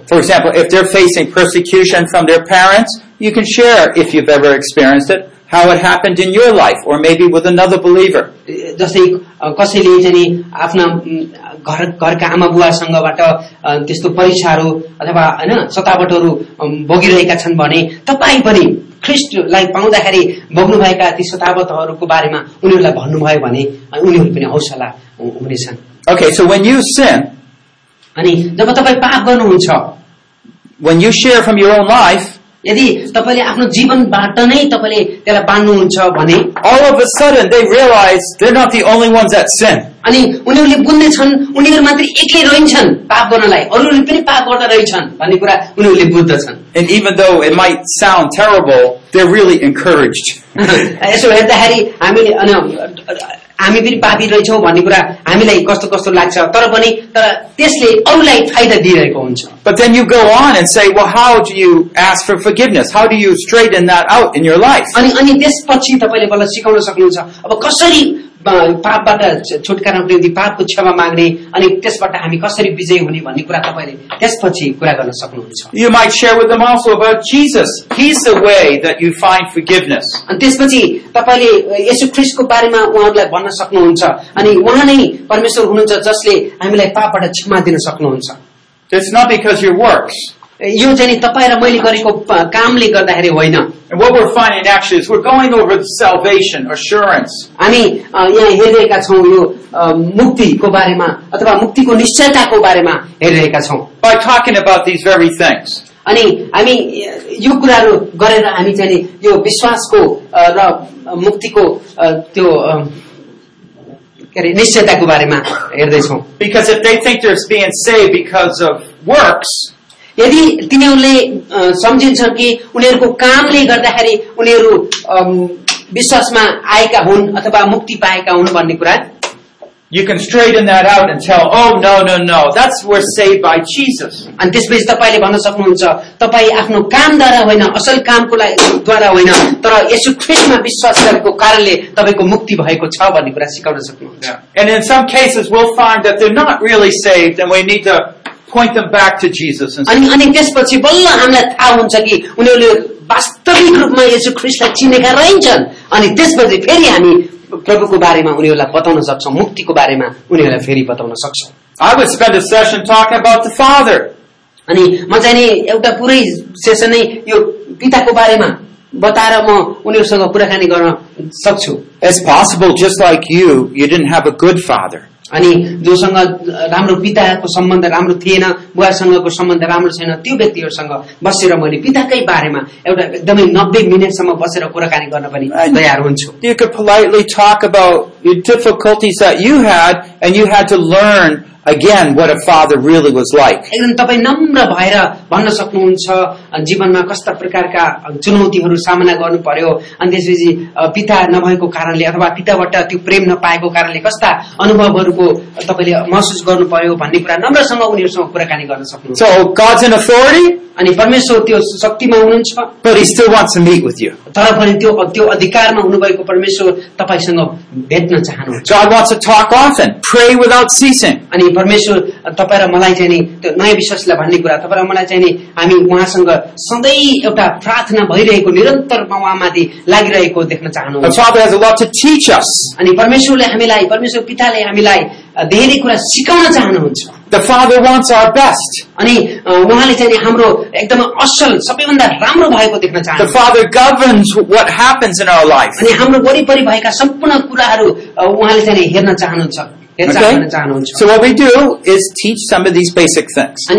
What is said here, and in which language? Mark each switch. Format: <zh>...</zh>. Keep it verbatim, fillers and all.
<en>For example, if they're facing persecution from their parents, you can share if you've ever experienced it. How it happened in your life or maybe with another believer.</en> <ne>जस्तै कसैले चाहिँ आफ्ना घर घरका आमा बुवासँगबाट त्यस्तो परीक्षाहरू अथवा होइन सतावटहरू भोगिरहेका छन् भने तपाईँ पनि ख्रिस्टलाई पाउँदाखेरि भोग्नुभएका ती सतावटहरूको बारेमा उनीहरूलाई भन्नुभयो भने उनीहरू पनि हौसला हुनेछन्।</ne> <en>Okay, so when you sin,</en> <ne>अनि जब तपाईँ पाप गर्नुहुन्छ,</ne> <en>when you share from your own life,</en> <ne>यदि तपाईले आफ्नो जीवनबाट नै तपाईले त्यसलाई बाँड्नुहुन्छ भने</ne> <en>all of a sudden they realize they're not the only ones that sin.</en> <ne>अनि उनीहरूले बुझ्ने छन् उनीहरू मात्र एकै रहन्छन् पाप गर्नलाई, अरूले पनि पाप गर्दै रहन्छन् भन्ने कुरा उनीहरूले बुझ्दछन्।</ne> <en>And even though it might sound terrible, they're really encouraged.</en> <ne>यसो हेर्दाखेरि हामीले अनि हामी पनि पापी रहेछौँ भन्ने कुरा हामीलाई कस्तो कस्तो लाग्छ, तर पनि तर त्यसले अरूलाई फाइदा दिइरहेको हुन्छ।</ne> <en>But then you go on and say, well, how do you ask for forgiveness? How do you straighten that out in your life?</en> <ne>अनि अनि त्यसपछि तपाईले मलाई सिकाउन सक्नुहुन्छ अब कसरी पापबाट छुटकारा पाउने, पापको क्षमा माग्ने अनि त्यसबाट हामी कसरी विजयी हुने भन्ने कुरा तपाईले त्यसपछि कुरा गर्न सक्नुहुन्छ।</ne> <en>You might share with them also about Jesus. He's the way that you find forgiveness.</en> <ne>अनि त्यसपछि तपाईले येशू ख्रीष्टको बारेमा उहाँहरूलाई भन्न सक्नुहुन्छ अनि उहाँ नै परमेश्वर हुनुहुन्छ जसले हामीलाई पापबाट क्षमा दिन सक्नुहुन्छ।</ne> <en>It's not because your works.</en> <ne>यो चाहिँ तपाईँ र मैले गरेको कामले गर्दाखेरि होइन।</ne> <en>And what we're finding actually is we're going over salvation, assurance.</en> <ne>हामी यहाँ हेरिरहेका छौँ यो मुक्तिको बारेमा अथवा मुक्तिको निश्चयताको बारेमा हेरिरहेका छौँ।</ne> <en>By talking about these very things.</en> <ne>अनि हामी यो कुराहरू गरेर हामी चाहिँ यो विश्वासको र मुक्तिको त्यो निश्चयताको बारेमा हेर्दैछौँ।</ne> <en>Because if they think they're being saved because of works,</en> <ne>यदि तिनीहरूले सम्झिन्छन् कि उनीहरूको कामले गर्दाखेरि उनीहरू विश्वासमा आएका हुन् अथवा मुक्ति पाएका हुन् भन्ने कुरा</ne> <en>you can straighten that out and tell, oh no no no, that's we're saved by Jesus.</en> <ne>अनि त्यसपछि तपाईले भन्न सक्नुहुन्छ तपाई आफ्नो कामद्वारा होइन, असल कामको लागि द्वारा होइन, तर येशू ख्रीष्टमा विश्वास गरेको कारणले तपाईको मुक्ति भएको छ भन्ने कुरा सिकाउन सक्नुहुन्छ।</ne> <en>And in some cases we'll find that they're not really saved and we need to point them back to Jesus.</en> <ne>And अनि त्यसपछि बल्ल हामीलाई थाहा हुन्छ कि उनीहरूले वास्तविक रूपमा येशू ख्रीष्टलाई चिनेका रहन्छन् अनि त्यसपछि फेरि हामी प्रभुको बारेमा उनीहरूलाई बताउन सक्छौँ, मुक्तिको बारेमा उनीहरूलाई फेरि बताउन सक्छौँ।</ne> <en>I would spend a session talking about the Father.</en> <ne>अनि म चाहिँ नि एउटा पुरै सेसन नै यो पिताको बारेमा बताएर म उनीहरूसँग कुराकानी गर्न सक्छु।</ne> <en>It's possible just like you, you didn't have a good father.</en> <ne>अनि जोसँग राम्रो पिताको सम्बन्ध राम्रो थिएन, बुवासँगको सम्बन्ध राम्रो छैन, त्यो व्यक्तिहरूसँग बसेर मैले पिताकै बारेमा एउटा एकदमै नब्बे मिनेटसम्म बसेर कुराकानी गर्न पनि तयार हुन्छु।</ne> <en>You could politely talk about the difficulties that you had and you had to learn again what a father really was like.</en> <ne>एकदम तपाई नम्र भएर भन्न सक्नुहुन्छ जीवनमा कस्ता प्रकारका चुनौतीहरू सामना गर्नु पर्यो अनि त्यसपछि पिता नभएको कारणले अथवा पिताबाट त्यो प्रेम नपाएको कारणले कस्ता अनुभवहरूको तपाईले महसुस गर्नु पर्यो भन्ने कुरा नम्रसँग उनीहरूसँग कुराकानी गर्न सक्नुहुन्छ।</ne> <en>So God's in authority,</en> <ne>अनि परमेश्वर त्यो शक्तिमा हुनुहुन्छ,</ne> <en>but he still wants to meet with you.</en> <ne>तर पनि त्यो त्यो अधिकारमा हुनुभएको परमेश्वर तपाईसँग भेट्न चाहनुहुन्छ।</ne> <en>God wants to talk often, pray without ceasing.</en> <ne>अनि परमेश्वर तपाईँ र मलाई चाहिँ नि त्यो नयाँ विश्वासलाई भन्ने कुरा तपाईँ र मलाई चाहिँ नि हामी उहाँसँग सधैँ एउटा प्रार्थना भइरहेको निरन्तर उहाँमाथि लागिरहेको देख्न चाहनुहुन्छ।</ne> <en>The Father has a lot to teach us.</en> <ne>अनि परमेश्वरले हामीलाई परमेश्वर पिताले हामीलाई धेरै कुरा सिकाउन चाहनुहुन्छ।</ne> <en>The Father wants our best.</en> <ne>अनि उहाँले चाहिँ नि हाम्रो एकदम असल सबैभन्दा राम्रो भएको देख्न चाहन्छ।</ne> <en>The Father governs what happens in our life.</en> <ne>अनि हाम्रो वरिपरि भएका सम्पूर्ण कुराहरू उहाँले चाहिँ नि हेर्न चाहनुहुन्छ।</ne> <en>Okay. So what we do is teach some of these basic things.</en>